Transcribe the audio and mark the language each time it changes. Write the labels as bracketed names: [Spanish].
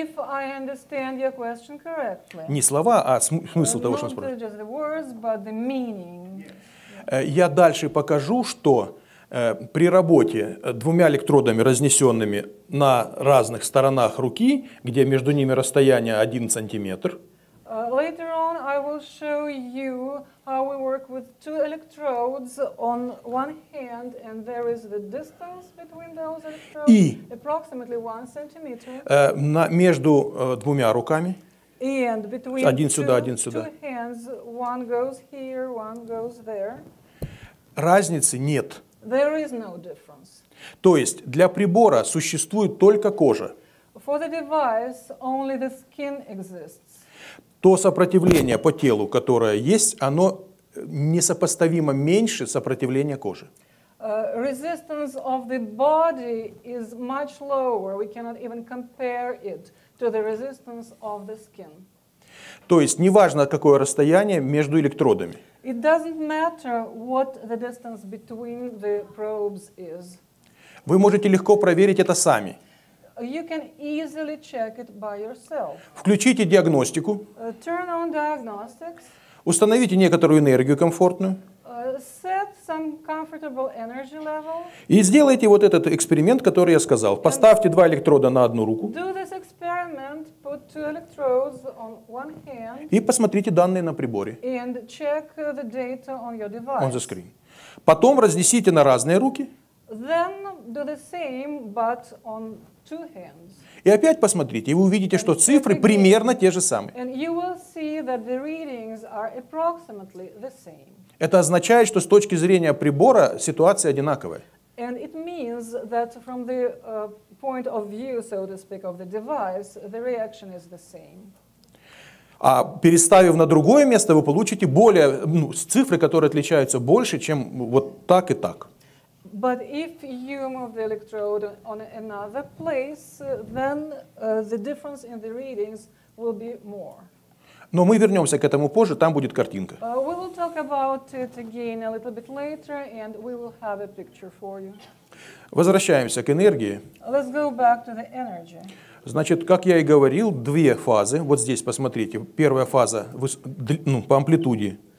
[English] If I understand your question correctly. [Russian] Не слова, а смысл того, что он спрашивает. [English] Not just the words, but the meaning. [Russian] Я дальше покажу, что при работе двумя электродами, разнесенными на разных сторонах руки, где между ними расстояние 1 сантиметр, [English] Later on, I will show you how we work with two electrodes on one hand, and there is the distance between those electrodes, approximately one centimeter. [Russian] Между двумя руками. [English] And between [Russian] один сюда, один сюда. [English] Two hands, one goes here, one goes there. [Russian] Разницы нет. [English] There is no difference. [Russian] То есть для прибора существует только кожа. [English] For the device, only the skin exists. [Russian] То сопротивление по телу, которое есть, оно несопоставимо меньше сопротивления кожи. [English] Resistance of the body is much lower. We cannot even compare it to the resistance of the skin. [Russian] То есть неважно, какое расстояние между электродами. [English] It doesn't matter what the distance between the probes is. [Russian] Вы можете легко проверить это сами. [English] You can easily check it by yourself. [Russian] Включите диагностику. [English] Turn on diagnostics. [Russian] Установите некоторую энергию комфортную. [English] Set some comfortable energy level. [Russian] И сделайте вот этот эксперимент, который я сказал. Поставьте два электрода на одну руку. [English] Do this experiment. Put two electrodes on one hand. [Russian] И посмотрите данные на приборе. [English] And check the data on your device. On the screen. [Russian] Потом разнесите на разные руки. [English] Then do the same, but on two hands. [Russian] И опять посмотрите, и вы увидите, [English] and [Russian] что цифры [English] again, [Russian] примерно те же самые. [English] And you will see that the readings are approximately the same. [Russian] Это означает, что с точки зрения прибора ситуация одинаковая. [English] And it means that from the point of view, so to speak, of the device, the reaction is the same. [Russian] А переставив на другое место, вы получите более, ну, цифры, которые отличаются больше, чем вот так и так. [English] But if you move the electrode on another place, then the difference in the readings will be more. [Russian] Но мы вернемся к этому позже, там будет картинка. [English] We will talk about it again a little bit later, and we will have a picture for you. [Russian] Возвращаемся к энергии. [English] Let's go back to the energy. [Russian] Значит, как я и говорил, две фазы. Вот здесь, посмотрите, первая фаза, ну, по амплитуде.